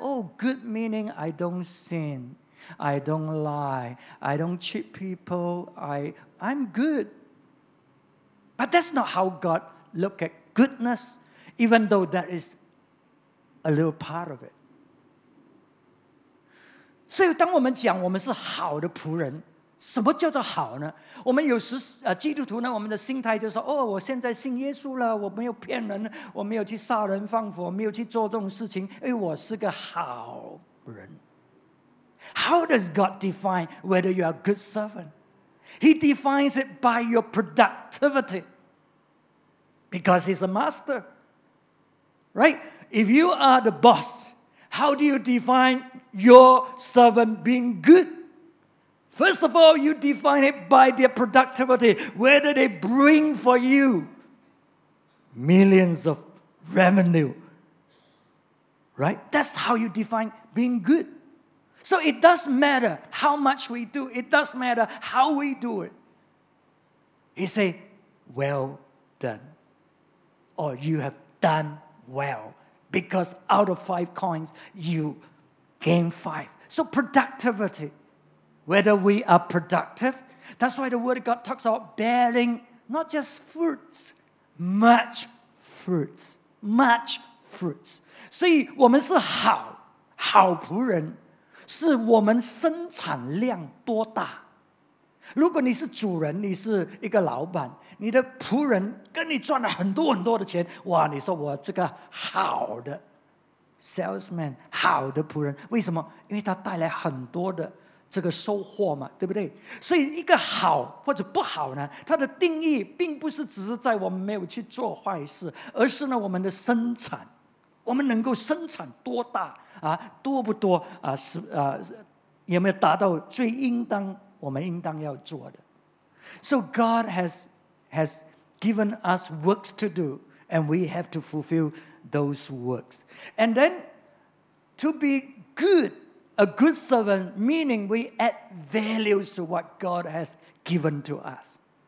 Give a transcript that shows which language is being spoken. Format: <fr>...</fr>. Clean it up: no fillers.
<en>Oh, good meaning I don't sin, I don't lie, I don't cheat people, I'm good. But that's not how God looks at goodness, even though that is a little part of it.</en> <zh>所以当我们讲我们是好的仆人，什么叫做好呢？我们有时、基督徒呢，我们的心态就是说，哦，我现在信耶稣了，我没有骗人，我没有去杀人放火，没有去做这种事情，哎，我是个好人。</zh> <en>How does God define whether you are a good servant? He defines it by your productivity, because he's a master, right? If you are the bossHow do you define your servant being good? First of all, you define it by their productivity. Where do they bring for you? Millions of revenue. Right? That's how you define being good. So it does matter how much we do. It does matter how we do it. He say, well done. Or you have done well. Because out of 5 coins, you gain 5. So productivity, whether we are productive, that's why the Word of God talks about bearing not just fruits, much fruits, much fruits.</en> <zh>所以我们是好，好仆人，是我们生产量多大。如果你是主人，你是一个老板，你的仆人跟你赚了很多很多的钱，哇，你说我这个好的 salesman， 好的仆人，为什么？因为他带来很多的这个收获嘛，对不对？所以一个好或者不好呢，它的定义并不是只是在我们没有去做坏事，而是呢我们的生产，我们能够生产多大啊，多不多啊，是啊，有没有达到最应当我们应当要做的。</zh> <en>So God has has given us works to do, and we have to fulfill those works. And then to be good, a good servant, meaning we add values to what God has given to us.</en>